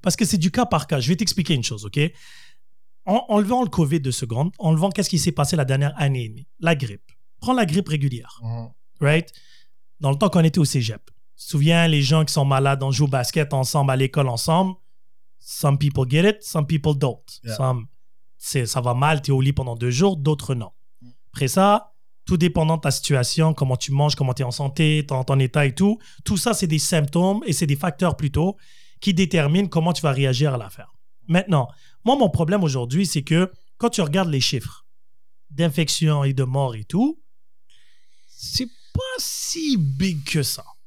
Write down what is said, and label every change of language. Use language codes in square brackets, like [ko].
[fr] Parce que c'est du cas par cas. Je vais t'expliquer une chose, OK? Enlevant le COVID de seconde, enlevant qu'est-ce qui s'est passé la dernière année et demie. La grippe. Prends la grippe régulière. Right? Dans le temps qu'on était au cégep. Souviens, les gens qui sont malades, on joue au basket ensemble, à l'école ensemble. [en] Some people get it, some people don't. Yeah. [fr] Ça va mal, t'es au lit pendant deux jours, d'autres non. Après ça, tout dépendant de ta situation, comment tu manges, comment t'es en santé, ton état et tout, tout ça, c'est des symptômes et c'est des facteurs plutôt qui déterminent comment tu vas réagir à l'affaire. Maintenant, moi, mon problème aujourd'hui, c'est que quand tu regardes les chiffres d'infection et de mort et tout, c'est pas si big que ça.